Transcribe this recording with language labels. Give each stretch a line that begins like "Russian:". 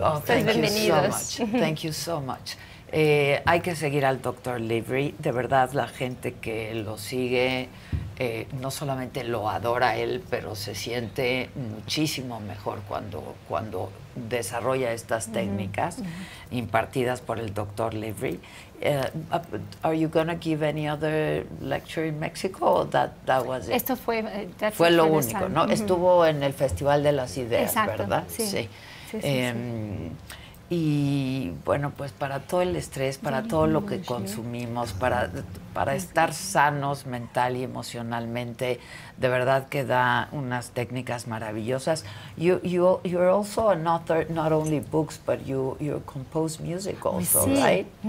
English: Oh, thank you so much. Thank you so much.
Spanish: Hay que seguir al Dr. Levry. De verdad, la gente que lo sigue no solamente lo adora a él, pero se siente muchísimo mejor cuando desarrolla estas técnicas impartidas por el Dr. Levry.
English: Are you going to give any other lecture in Mexico? Or that was it?
Spanish: Esto fue... Fue lo único, ¿no? Mm-hmm. Estuvo en el Festival de las Ideas, exacto, ¿verdad? Sí. Y bueno, pues para todo el estrés, para todo lo que consumimos, para estar sanos mental y emocionalmente, de verdad que da unas técnicas maravillosas.
English: You're also an author, not only books, but you compose music also, sí, right?